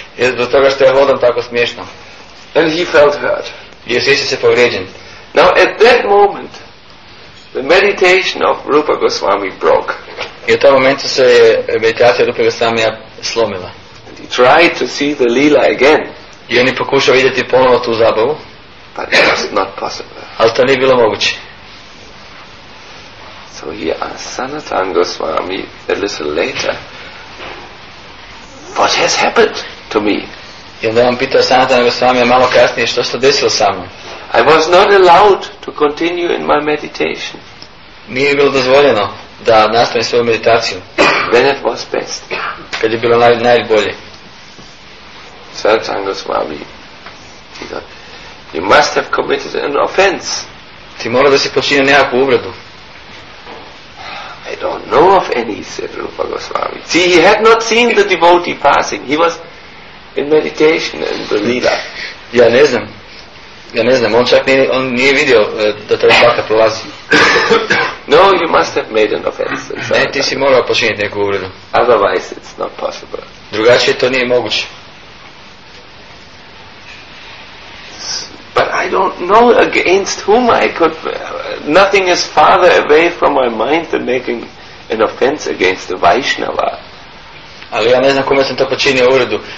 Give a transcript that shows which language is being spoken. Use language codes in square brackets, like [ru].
[hr] Je zbog toga što ja hodam tako smiješno. [en] And he felt hurt. [hr] I osjeća se povrijeđen. [en] Now at that moment the meditation of Rupa Goswami broke. [hr] I u tom momentu se je meditacija Rupa Goswami slomila. [en] And he tried to see the lila again. [hr] I on je pokušao vidjeti ponovo tu zabavu. [en] But it was not possible. [hr] Ali to nije bilo moguće. [en] So he asked Sanatan Goswami a little later, "What has happened to me?" [hr] I onda on pitao Sanatan Goswami malo kasnije, što se desilo sa mnom? [en] I was not allowed to continue in my meditation. [hr] Nije bilo dozvoljeno da nastavim svoju meditaciju. [en] When it was best. [hr] Kad je bilo najbolje. [en] Sanatan Goswami, "You must have committed an offense." [hr] Ti mora da si počinio nekakvu uvredu. [en] "I don't know of any," said Rupa Goswami. See, he had not seen the devotee passing. He was in meditation and the lila. [hr] Ja ne znam. Ja ne znam. On čak nije vidio da taj svaka prolazi. [en] "No, you must have made an offense." [hr] Ne, ti si morao počiniti neku uvredu. [en] "Otherwise it's not possible." [hr] Drugačije to nije moguće. [en] "But I don't know against whom I could, nothing is farther away from my mind than making an offense against the Vaishnava." [hr] Ali ja ne znam kome sam to počinio uvredu.